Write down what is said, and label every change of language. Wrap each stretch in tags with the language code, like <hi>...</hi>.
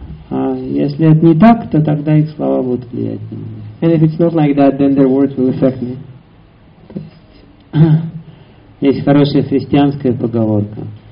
<ru>Если это не так, то тогда их слова будут влиять на меня.</ru> <en>And if it's not like that, then their words will affect me.</en> <ru>Есть хорошая христианская поговорка.</ru>